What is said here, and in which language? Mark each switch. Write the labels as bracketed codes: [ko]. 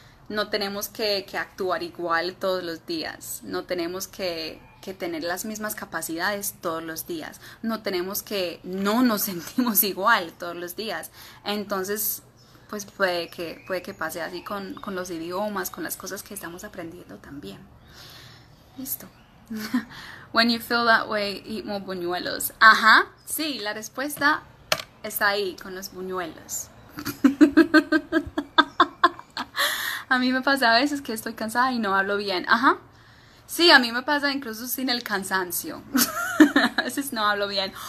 [es] No tenemos que actuar igual todos los días, no tenemos que tener las mismas capacidades todos los días, no tenemos que no nos sentimos igual todos los días. Entonces, pues puede que pase así con los idiomas, con las cosas que estamos aprendiendo también. Listo. [en] When you feel that way, eat more buñuelos. [es] Ajá, sí, la respuesta está ahí, con los buñuelos. A mí me pasa a veces que estoy cansada y no hablo bien. Ajá. Sí, a mí me pasa incluso sin el cansancio. A veces no hablo bien.